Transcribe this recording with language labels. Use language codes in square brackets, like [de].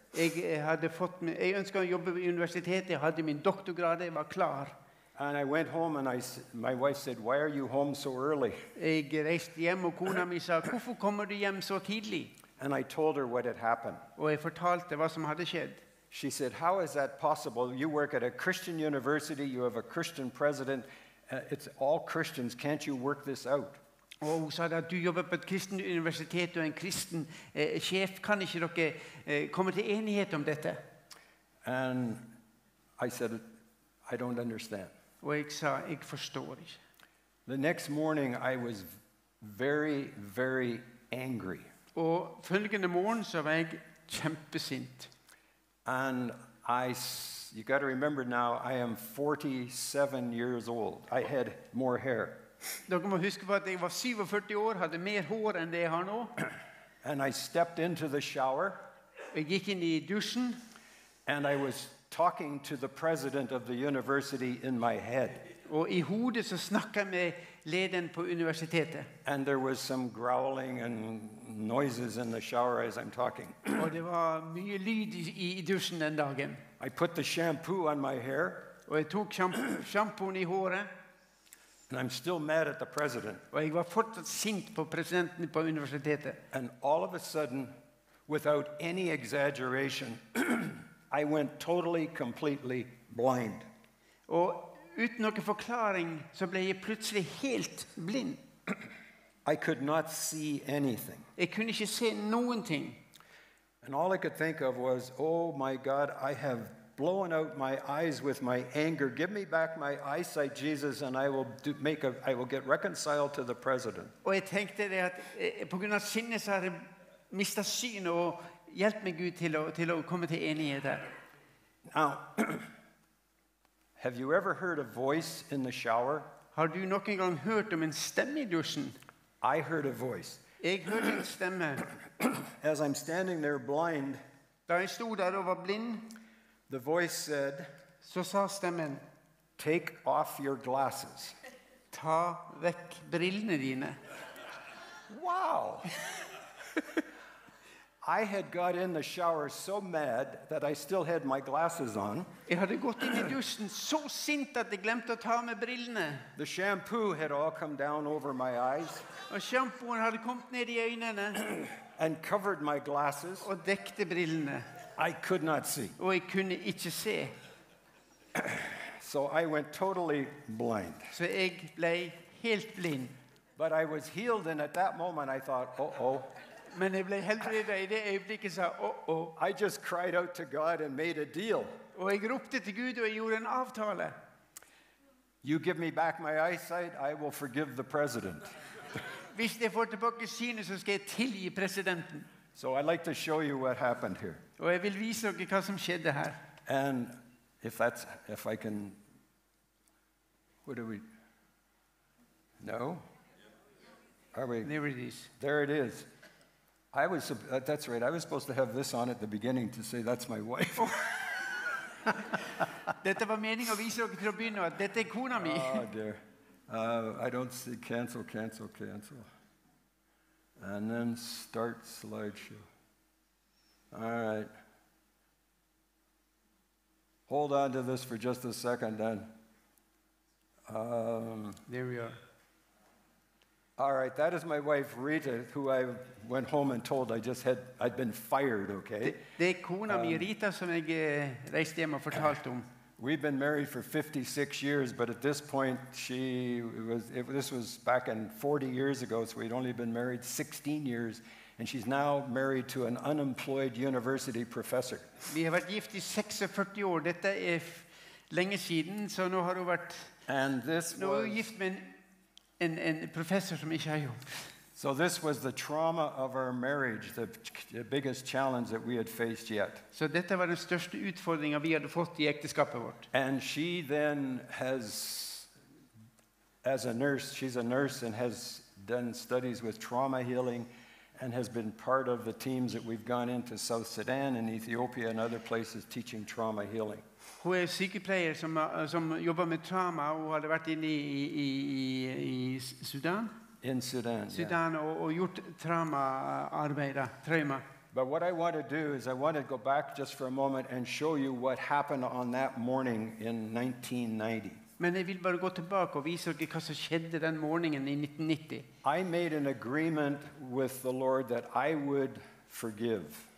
[no] Jeg ønsket å jobbe ved universitetet. Jeg hadde min doktorgrad. Jeg var klar. [en] And I went home, and my wife said, "Why are you home so early?" [no] Jeg reiste hjem, og kona mi sa, "Hvorfor kommer du hjem så tidlig?" [en] And I told her what had happened. [no] Og jeg fortalte hva som hadde skjedd. [en] She said, "How is that possible? You work at a Christian university. You have a Christian president. It's all Christians. Can't you work this out?" [no] Oh, hun sa at du jobber på et kristent universitet og en kristen sjef. Kan ikke dere komme til enighet om dette? [en] And I said, "I don't understand." [no] Og jeg sa, jeg forstår ikke. [en] The next morning, I was very, very angry. [no] Og følgende morgen så var jeg kjempesint. [en] And you got to remember now, I am 47 years old. I had more hair. [no] Dere må huske på at jeg var 47 år, hadde mer hår enn det jeg har nå. [en] And I stepped into the shower. [no] Jeg gikk inn I dusjen. [en] And I was talking to the president of the university in my head. [no] Og I hodet så snakket jeg med lederen på universitetet. [en] And there was some growling and noises in the shower as I'm talking. [no] Og det var mye lyd I dusjen den dagen. [en] I put the shampoo on my hair. [no] Og jeg tok shampooen I håret. [en] And I'm still mad at the president. [no] Og jeg var fortsatt sint på presidenten på universitetet. [en] And all of a sudden, without any exaggeration, I went totally, completely blind. [no] Og uten noen forklaring, så ble jeg plutselig helt blind. [en] I could not see anything. [no] Jeg kunne ikke se noen ting. [en] And all I could think of was, "Oh my God, I have blown out my eyes with my anger. Give me back my eyesight, Jesus, and I will get reconciled to the president." [no] Og jeg tenkte det at på grunn av sinnet så hadde jeg mistet syn, og hjelp meg Gud til å komme til enighet der. [en] Now, have you ever heard a voice in the shower? [no] Har du noen gang hørt om en stemme I dusjen? [en] I heard a voice. [no] Jeg hørte en stemme. [en] As I'm standing there blind, [no] da jeg stod der og var blind, [en] the voice said, [no] så sa stemmen, [en] take off your glasses. [no] Ta vekk brillene dine. [en] Wow! I had got in the shower so mad that I still had my glasses on. [no] Jeg hadde gått inn I dusjen så sint at jeg glemte å ta med brillene. [en] The shampoo had all come down over my eyes. [no] Og shampooen hadde kommet ned I øynene. [en] And covered my glasses. [no] Og dekte brillene. [en] I could not see. [no] Og jeg kunne ikke se. [en] So I went totally blind. [no] Så jeg ble helt blind. [en] But I was healed, and at that moment I thought, uh-oh. [no] Men jeg ble helbredet I det øyeblikket sa, uh-oh. [en] I just cried out to God and made a deal. [no] Og jeg ropte til Gud, og jeg gjorde en avtale. [en] You give me back my eyesight, I will forgive the president. [no] Hvis jeg får tilbake synet, så skal jeg tilgi presidenten. [en] So I'd like to show you what happened here. [no] Og jeg vil vise dere hva som skjedde her. [en] And if I can, what do we, no? Are we? There it is. There it is. I was, that's right, I was supposed to have this on at the beginning to say that's my wife. [no] Dette var meningen å vise dere til å begynne at dette kona mi. [en] Oh dear. I don't see, cancel. And then start slideshow. All right. Hold on to this for just a second then. There we are. All right, that is my wife Rita, who I went home and told I'd been fired, okay? [no] Det kona mi Rita som jeg reiste hjem og fortalte om. [en] We've been married for 56 years, but at this point, this was back in 40 years ago, so we'd only been married 16 years, and she's now married to an unemployed university professor. [no] Vi har vært gift I 46 år. Dette lenge siden, så nå har hun vært gift med en professor som ikke har jobb. [en] So this was the trauma of our marriage, the biggest challenge that we had faced yet. [no] Så dette var den største utfordringen vi hadde fått I ekteskapet vårt. [en] And she then has, as a nurse, she's a nurse and has done studies with trauma healing and has been part of the teams that we've gone into South Sudan and Ethiopia and other places teaching trauma healing. [no] Hun sykepleier som jobber med trauma og hadde vært inne I Sudan. [en] In Sudan, [no] Sudan [en] yeah. [no] Og gjort trauma. [en] But what I want to do is I want to go back just for a moment and show you what happened on that morning in 1990. [no] Men jeg vil bare gå tilbake og vise dere hva som skjedde den morgenen I 1990. [en] I made an agreement with the Lord that I would forgive.